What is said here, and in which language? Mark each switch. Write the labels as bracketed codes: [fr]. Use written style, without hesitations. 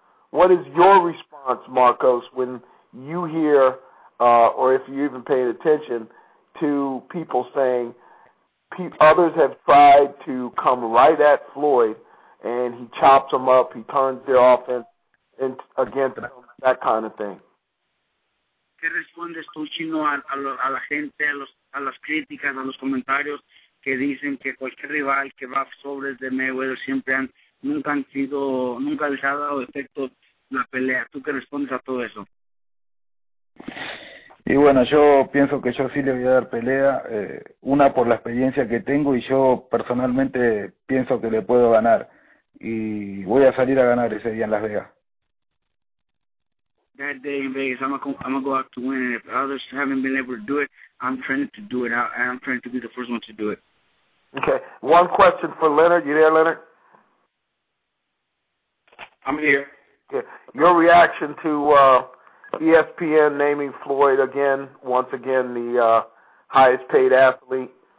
[en] What is your response, Marcos, when you hear, or if you even pay attention, to people saying others have tried to come right at Floyd, and he chops them up, he turns their offense against them? That kind of thing. [es] ¿Qué respondes tú, Chino, a la gente, a las críticas, a los comentarios que dicen que cualquier rival que va sobre de Mayweather nunca les ha dado efecto la pelea? ¿Tú qué respondes a todo eso? Y bueno, yo pienso que yo sí le voy a dar pelea, una por la experiencia que tengo, y yo personalmente pienso que le puedo ganar. Y voy a salir a ganar ese día en Las Vegas. [en] That day in Vegas, I'm gonna go out to win. And if others haven't been able to do it, I'm trying to do it. I'm trying to be the first one to do it. Okay. One question for Leonard. You there, Leonard? I'm here. Yeah. Your reaction to ESPN naming Floyd again, once again, the highest paid athlete?